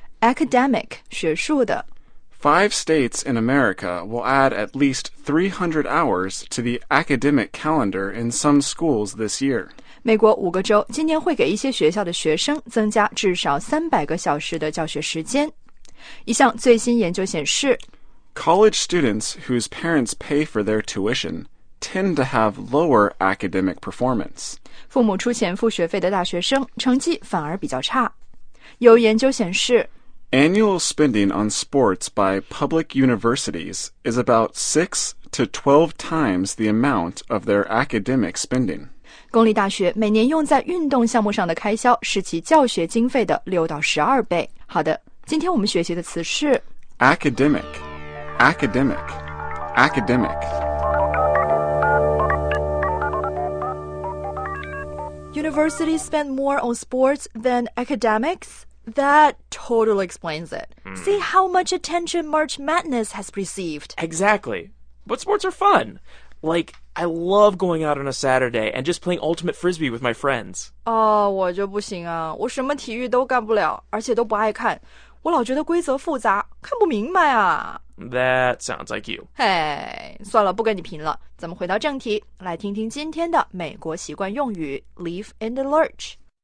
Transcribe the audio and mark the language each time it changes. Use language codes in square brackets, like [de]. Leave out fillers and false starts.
[zh] Academic, 学术的。 [en] Five states in America will add at least 300 hours to the academic calendar in some schools this year. [zh] 美国五个州今年会给一些学校的学生增加至少300个小时的教学时间。一项最新研究显示， [en] College students whose parents pay for their tuition tend to have lower academic performance. [zh] 父母出钱付学费的大学生成绩反而比较差。有研究显示， [en] Annual spending on sports by public universities is about 6 to 12 times the amount of their academic spending. [zh] 公立大学每年用在运动项目上的开销是其教学经费的6到12倍。好的，今天我们学习的词是 [en] academic, academic, academic. Universities spend more on sports than academics? That totally explains it. Hmm. See how much attention March Madness has received. Exactly. But sports are fun. Like, I love going out on a Saturday and just playing Ultimate Frisbee with my friends. [zh] Oh, 我就不行啊。我什么体育都干不了，而且都不爱看。我老觉得规则复杂，看不明白啊。 [en] That sounds like you. [zh] Hey, 算了，不跟你贫了。咱们回到正题，来听听今天的美国习惯用语 Leaf and the Lurch。